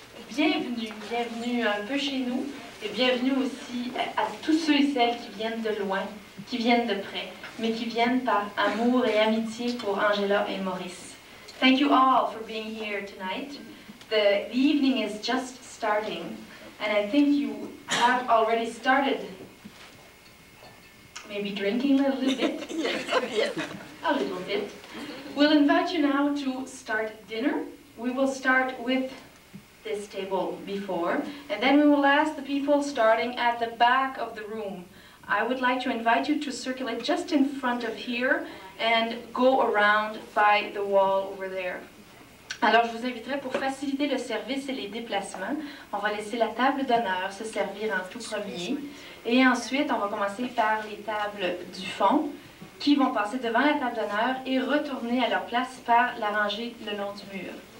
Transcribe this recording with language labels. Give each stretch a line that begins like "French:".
French: Bienvenue un peu chez nous et bienvenue aussi à tous ceux et celles qui viennent de loin, qui viennent de près, mais qui viennent par amour et amitié pour Angela et Maurice.
English: Thank you all for being here tonight. The evening is just starting and I think you have already started maybe drinking a little bit. A little bit. We'll invite you now to start dinner. We will start with this table before, and then we will ask the people starting at the back of the room. I would like to invite you to circulate just in front of here and go around by the wall over there.
French: Alors, je vous inviterai pour faciliter le service et les déplacements. On va laisser la table d'honneur se servir en tout premier. Et ensuite, on va commencer par les tables du fond qui vont passer devant la table d'honneur et retourner à leur place par la rangée le long du mur.